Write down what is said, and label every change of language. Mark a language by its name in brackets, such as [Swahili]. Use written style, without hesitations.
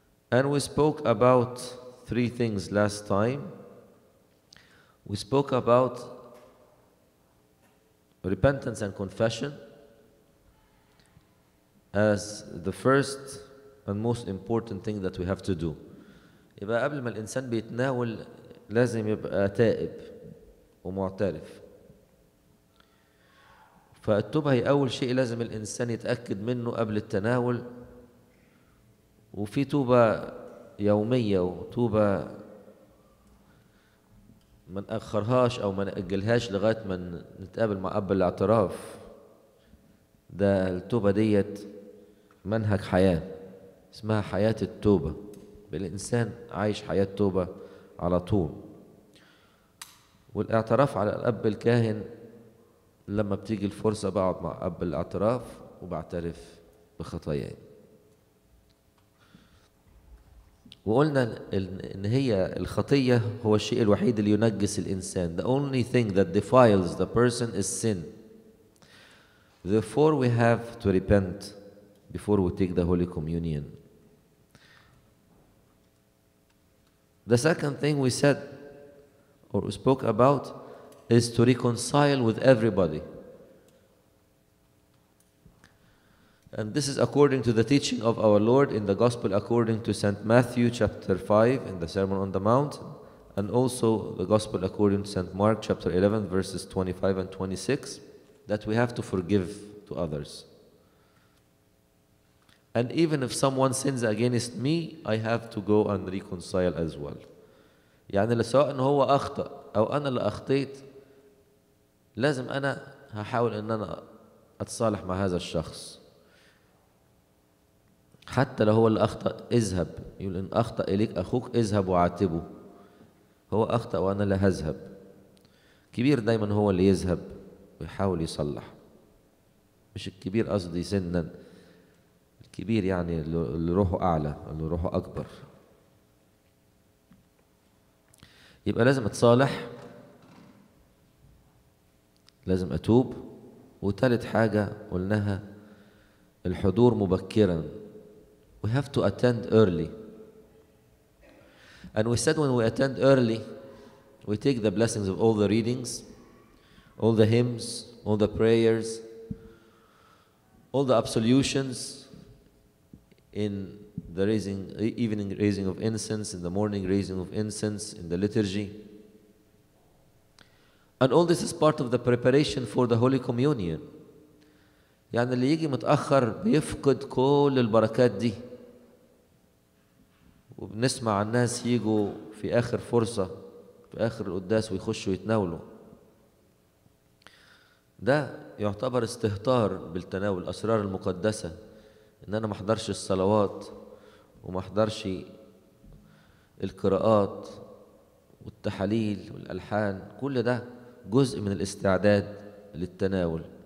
[English] And we spoke about three things last time. We spoke about repentance and confession as the first and most important thing that we have to do. [Arabic] يبقى قبل ما الإنسان بيتناول لازم يبقى تائب ومعترف. فالتوبة هي أول شيء لازم الإنسان يتأكد منه قبل التناول. وفي توبة يومية وتوبة ما نأخرهاش أو ما نأجلهاش لغاية ما نتقابل مع أب الاعتراف. ده التوبة ديت منهج حياة اسمها حياة التوبة. بالإنسان عايش حياة توبة على طول. والاعتراف على الأب الكاهن لما بتيجي الفرصة بقعد مع أب الاعتراف وبعترف بخطاياي. وقلنا إن هي الخطية هو الشيء الوحيد اللي ينجس الإنسان. [English] The only thing that defiles the person is sin. Therefore we have to repent before we take the Holy Communion. The second thing we said or we spoke about is to reconcile with everybody. And this is according to the teaching of our Lord in the Gospel according to St. Matthew chapter 5 in the Sermon on the Mount, and also the Gospel according to St. Mark chapter 11 verses 25 and 26, that we have to forgive to others. And even if someone sins against me, I have to go and reconcile as well. [Arabic] يعني لسواء ان هو اخطا او انا اللي اخطيت لازم انا هحاول ان انا اتصالح مع هذا الشخص. حتى لو هو اللي اخطا اذهب يقول ان اخطا اليك اخوك اذهب وعاتبه. هو اخطا وانا اللي هذهب. كبير دايما هو اللي يذهب ويحاول يصلح. مش الكبير قصدي سنا. الكبير يعني اللي روحه اعلى اللي روحه اكبر. يبقى لازم اتصالح، لازم اتوب. وثالث حاجه قلناها الحضور مبكرا، [English] we have to attend early. And we said when we attend early, we take the blessings of all the readings, all the hymns, all the prayers, all the absolutions in the raising, evening raising of incense, in the morning raising of incense, in the liturgy. And all this is part of the preparation for the Holy Communion. [Arabic] يعني اللي يجي متأخر بيفقد كل البركات دي. وبنسمع الناس يجوا في آخر فرصة في آخر القداس ويخشوا يتناولوا، ده يعتبر استهتار بالتناول أسرار المقدسة، إن أنا ما أحضرش الصلوات وما أحضرش القراءات والتحاليل والألحان، كل ده جزء من الاستعداد للتناول.